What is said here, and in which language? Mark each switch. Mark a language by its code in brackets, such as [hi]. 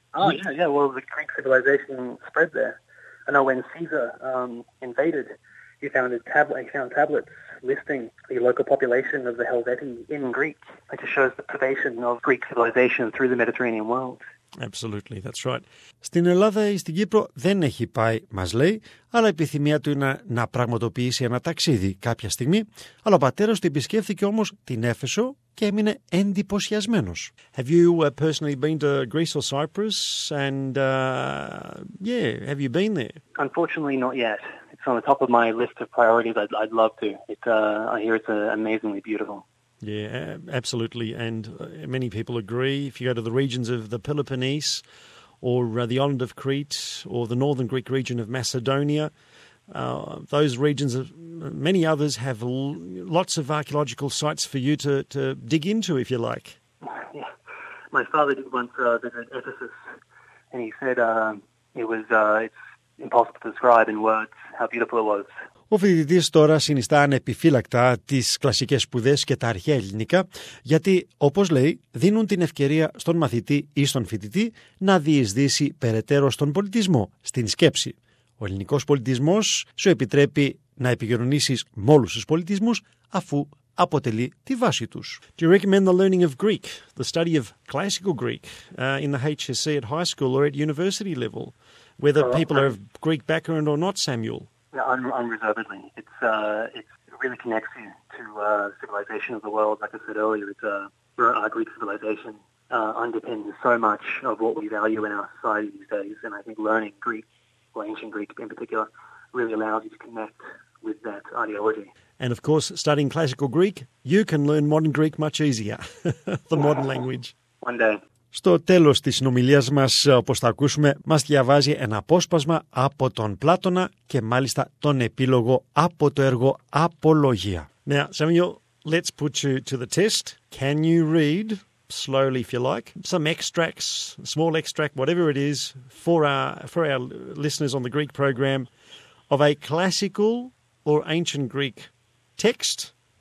[en] Oh, yeah. Well, the Greek civilization spread there. I know when Caesar invaded, he found tablets listing the local population of the Helvetii in Greek. It just shows the pervasion of Greek civilization through the Mediterranean world. Absolutely, that's right. [el] Στην Ελλάδα ή στην Κύπρο δεν έχει πάει, μας λέει, αλλά η επιθυμία του είναι να πραγματοποιήσει ένα ταξίδι κάποια στιγμή. Αλλά ο πατέρας του επισκέφθηκε όμως την Έφεσο και έμεινε εντυπωσιασμένος. [en] Have you personally been to Greece or Cyprus? And have you been there? Unfortunately, not yet. It's on the top of my list of priorities. I'd love to. I hear it's amazingly beautiful. Yeah, absolutely. And many people agree. If you go to the regions of the Peloponnese or the island of Crete or the northern Greek region of Macedonia, those regions, many others have lots of archaeological sites for you to dig into, if you like. Yeah. My father did once visit Ephesus, and he said it's impossible to describe in words how beautiful it was. [el] Ο φοιτητής τώρα συνιστά ανεπιφύλακτα τις κλασικές σπουδές και τα αρχαία ελληνικά, γιατί, όπως λέει, δίνουν την ευκαιρία στον μαθητή ή στον φοιτητή να διεισδύσει περαιτέρω στον πολιτισμό, στην σκέψη. Ο ελληνικός πολιτισμός σου επιτρέπει να επικοινωνήσεις με όλους τους πολιτισμούς, αφού αποτελεί τη βάση τους. [en] Do you recommend the learning of Greek, the study of classical Greek, in the HSC at high school or at university level? whether people are of Greek background or not, Samuel. Yeah, unreservedly. It really connects you to civilization of the world. Like I said earlier, it's our Greek civilization underpins so much of what we value in our society these days. And I think learning Greek, or ancient Greek in particular, really allows you to connect with that ideology. And of course, studying classical Greek, you can learn modern Greek much easier, modern language. One day. [el] Στο τέλος της συνομιλίας μας, όπως θα ακούσουμε, μας διαβάζει ένα απόσπασμα από τον Πλάτωνα και μάλιστα τον επίλογο από το έργο Απολογία. [en] Now, Samuel, let's put you to the test. Can you read, slowly if you like, some extracts, small extract, whatever it is, for our listeners on the Greek program, of a classical or ancient Greek text?